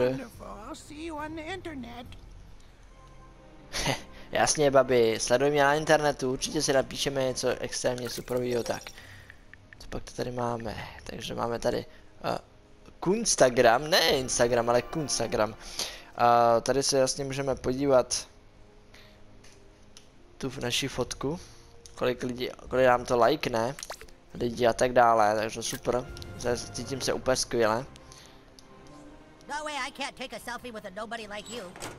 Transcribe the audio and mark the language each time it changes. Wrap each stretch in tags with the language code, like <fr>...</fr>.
<en>Oh, I'll see you on the internet.</en> <cs>Jasně, babi. Sleduj mě na internetu. Určitě si napíšeme něco extrémně superovýho. Tak. Co pak to tady máme? Takže máme tady... Kunstagram, ne Instagram, ale Kunstagram. Tady se jasně můžeme podívat tu v naší fotku, kolik nám to lajkne, lidi a tak dále, takže super, cítím se úplně skvěle.</cs> <en>No way, I can't take a selfie with a nobody like you.</en>